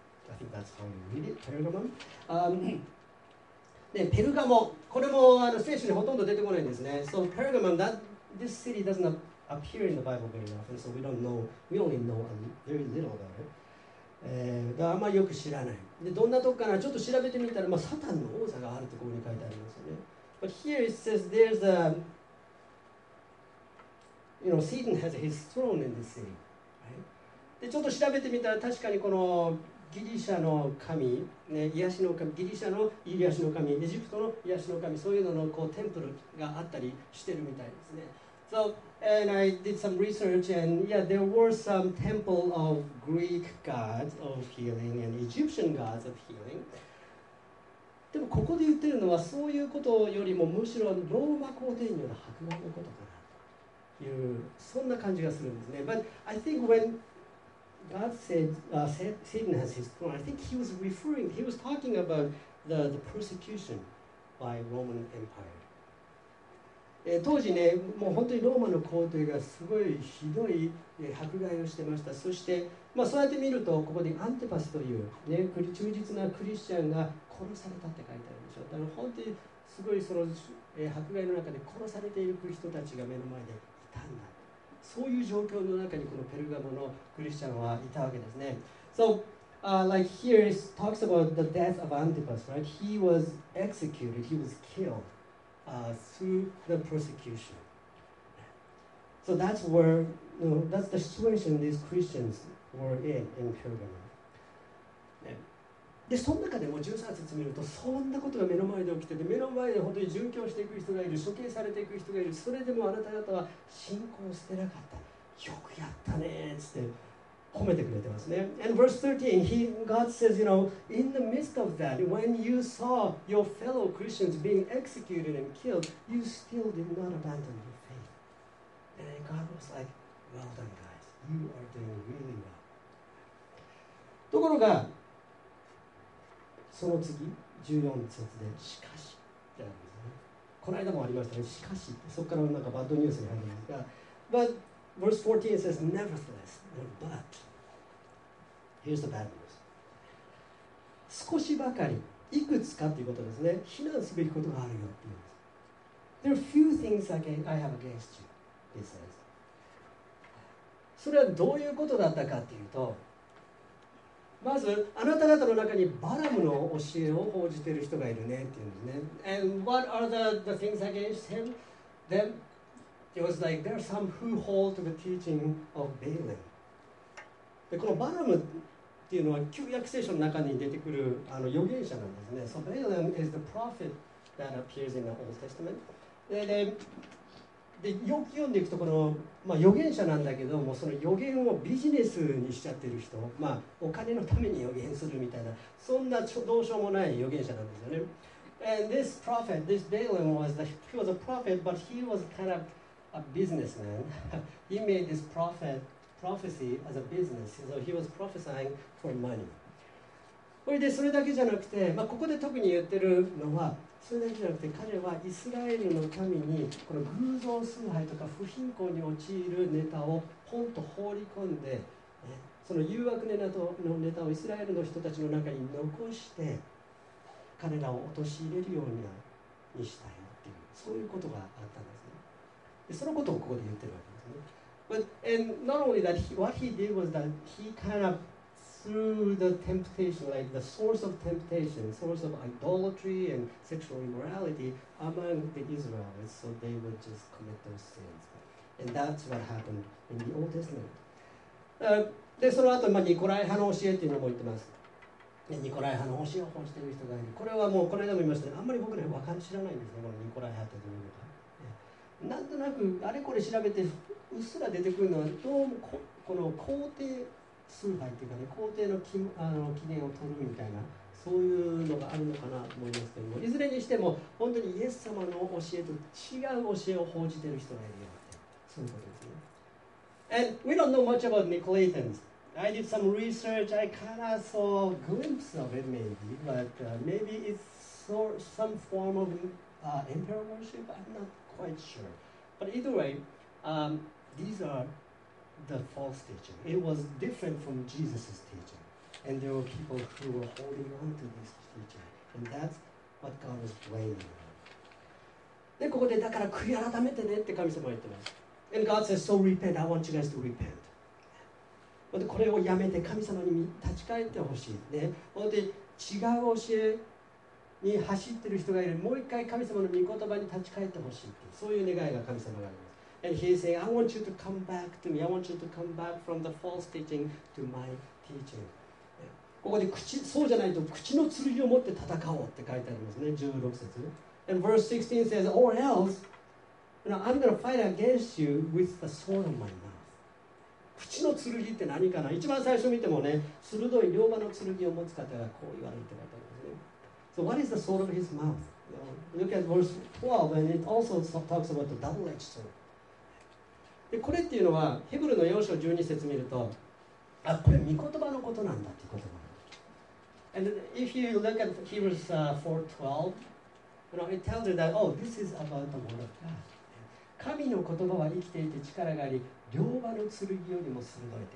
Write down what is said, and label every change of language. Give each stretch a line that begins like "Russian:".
English: I think that's how you read it, Pergamon.
Japanese: で、ペルガモ、これも聖書にほとんど出てこないんですね。
English: So Pergamon, this city doesn't appear in the Bible very often, so we don't know, we only know a very little about it.
Japanese: あまりよく知らない。でどんなとこかな、ちょっと調べてみたら、まあ、サタンの王座があるところに書いてありますよね。 But here it says there's a, you know, Satan has his throne in the city.、Right? でちょっと調べてみたら、確かにこのギリシャの神、ね、癒しの神、ギリシャの癒しの神、エジプトの癒しの神、そういうののこうテンプルがあったりしてるみたいですね。 So, and I did some research, and yeah, there were some temple of Greek gods of healing and Egyptian gods of healing. でもここで言ってるのは、そういうことよりもむしろローマ皇帝による迫害のことかなという、そんな感じがするんですね。 But I think when God said, Satan has his throne, I think he was referring, he was talking about the persecution by Roman Empire. 当時ね、もう本当にローマの皇帝がすごいひどい迫害をしてました。そして、まあ、そうやって見るとここにアンテパスという、ね、忠実なクリスチャンが殺されたって書いてあるでしょ。だから本当にすごいその迫害の中で殺されている人たちが目の前でいたんだ。そういう状況の中にこのペルガモのクリスチャンはいたわけですね。
English: So, like here it talks about the death of Antipas, right? He was executed, he was killed. Through the persecution. So that's where, you know, that's the situation these Christians were in Pergamon.、
Japanese: ね、で、その中でも13節見ると、そんなことが目の前で起きてて、目の前で本当に殉教していく人がいる、処刑されていく人がいる、それでもあなた方は信仰を捨てなかった。よくやったねっつって褒めてくれてますね。
English: And verse 13, God says, you know, in the midst of that, when you saw your fellow Christians being executed and killed, you still did not abandon your faith. And God was like, well done, guys. You are doing really well.
Japanese: ところが、その次、14節で、しかしってあるんですね。この間もありましたね、しかしって、そこからなんかバッドニュースに入るんですが、
English: But verse 14 says, nevertheless, but,Here's the bad news.
Japanese: 少しばかり、いくつかということですね。非難すべきことがあるよって言うんです。
English: There are few things I have against you, he says.
Japanese: それはどういうことだったかっていうと、まず、あなた方の中にバラムの教えを報じている人がいるねって言うんですね。
English: And what are the things against him? Then, it was like, there are some who hold to the teaching of Balaam.
Japanese: で、このバラムっていうのは旧約聖書の中に出てくるあの預言者なんですね。
English: So Balaam is the prophet that appears in the Old Testament.
Japanese: で、よく読んでいくとこの、まあ、預言者なんだけども、その預言をビジネスにしちゃってる人、まあ、お金のために預言するみたいな、そんなどうしようもない預言者なんですよね。
English: And this prophet, this Balaam was, he was a prophet, but he was kind of a businessman. He made this prophet. Prophecy as a business, so he was prophesying for money.
Japanese: これでそれだけじゃなくて、まあ、ここで特に言ってるのは、それだけじゃなくて、彼はイスラエルの民にこの偶像崇拝とか不貧困に陥るネタをポンと放り込んで、ね、その誘惑ネタのネタをイスラエルの人たちの中に残して、彼らを陥れるようにしたいっていう、そういうことがあったんですね。でそのことをここで言ってるわけですね。
English: But, and not only that, what he did was that he kind of threw the temptation, like the source of temptation, source of idolatry and sexual immorality among the Israelites, so they would just commit those sins. And that's what happened in the Old Testament.
Japanese: で、その後、まあ、ニコライ派の教えっていうのも言ってます。で、ニコライ派の教えを奉仕している人がいる。これはもう、この間も言いましたね。あんまり僕ら知らないんですね、このニコライ派ってどういうのか。なんとなく、あれこれ調べて、うっすら出てくるのはどうも この皇帝崇拝というかね、皇帝 の記念を取るみたいな、そういうのがあるのかなと思いますけども、いずれにしても本当にイエス様の教えと違う教えを報じている人がいるよって、そういうことですね。
English: And we don't know much about Nicolaitans. I did some research. I kind of saw a glimpse of it maybe, but maybe it's some form of emperor worship. I'm not quite sure. But either wayThese are the false teaching. It was different from Jesus' teaching. And there were people who were holding on to this teaching. And that's what God was blaming them.
Japanese: で、ここで、だから悔い改めてねって神様は言ってます。
English: And God says, so repent. I want you guys to repent.
Japanese: でこれをやめて神様に立ち返ってほしい、ね、本当に違う教えに走ってる人がいる、もう一回神様の御言葉に立ち返ってほしい、そういう願いが神様があります。
English: And he said, I want you to come back to me. I want you to come back from the false teaching to my teaching.
Japanese: ここで口、そうじゃないと口の剣を持って戦おうって書いてありますね、16節。
English: And verse 16 says, or else, you know, I'm going to fight against you with the sword of my mouth.
Japanese: 口の剣って何かな、一番最初見てもね、鋭い両刃の剣を持つ方がこう言われるって書いてありますね。
English: So what is the sword of his mouth? Look at verse 12 and it also talks about the double-edged sword.
Japanese: でこれっていうのはヘブルの4章12節見ると、あ、これ御言葉のことなんだっていうことなんだ。
English: And if you look at Hebrews 4:12, you know, it tells you that, oh, this is about the word of God.
Japanese: 神の言葉は生きていて力があり、両刃の剣よりも鋭いって書いてありますね。